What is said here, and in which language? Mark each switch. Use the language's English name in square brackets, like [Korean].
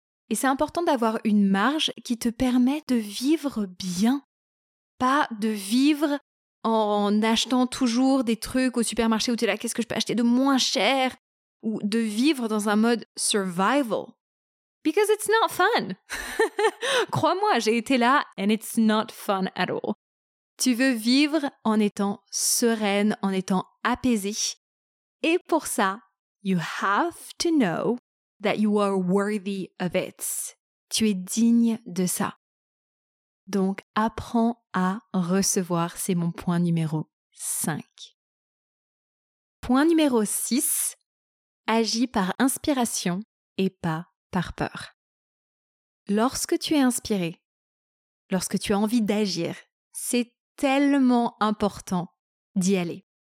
[French] Et c'est important d'avoir une marge qui te permet de vivre bien, pas de vivre en achetant toujours des trucs au supermarché où tu es là, qu'est-ce que je peux acheter de moins cher, ou de vivre dans un mode survival. [English] Because it's not fun. [French] Crois-moi, j'ai été là [English] and it's not fun at all. [French] Tu veux vivre en étant sereine, en étant apaisée. Et pour ça, [English] you have to know that you are worthy of it. [French] Tu es digne de ça. Donc, apprends à recevoir, c'est mon point numéro 5. Point numéro 6, agis par inspiration et pas par peur. Lorsque tu es inspiré, lorsque tu as envie d'agir, c'est tellement important d'y aller.